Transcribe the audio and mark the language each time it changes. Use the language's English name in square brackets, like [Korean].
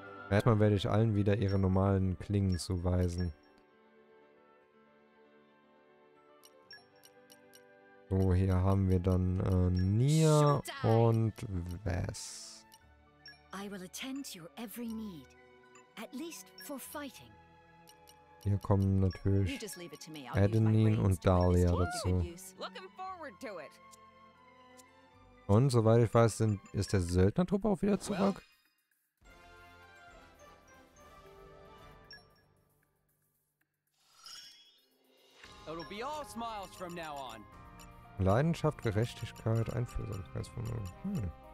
[German] Erstmal werde ich allen wieder ihre normalen Klingen zuweisen. So, hier haben wir dann Nia und Vess. [English] I will attend to your every need, at least for fighting. [German] Hier kommen natürlich Adenine und Dahlia dazu. Und soweit ich weiß, ist der Söldnertrupp auch wieder zurück. [English] It'll be all smiles from now on. [German] Leidenschaft, Gerechtigkeit, Einfühlsamkeitsvermögen.